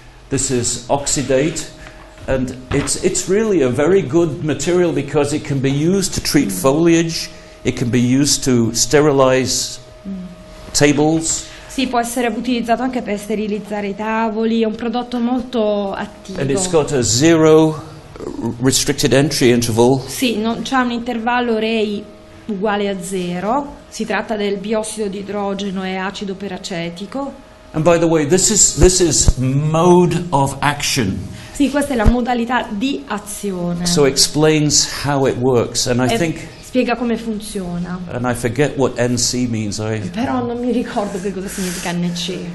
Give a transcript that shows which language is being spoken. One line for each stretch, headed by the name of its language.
English: This is oxidate, and it's really a very good material because it can be used to treat foliage, it can be used to sterilize tables.
Italian: Sì, può essere utilizzato anche per sterilizzare i tavoli, è un prodotto molto attivo.
English: And it's got a zero restricted entry interval.
Italian: Sì, non c'è un intervallo REI uguale a zero. Si tratta del biossido di idrogeno e acido peracetico.
English: And by the way, this is mode of action.
Italian: Sì, questa è la modalità di azione.
English: So explains how it works, and I think.
Italian: Spiega come funziona.
English: And I forget what NC means.
Italian: Però non mi ricordo che cosa significa NC.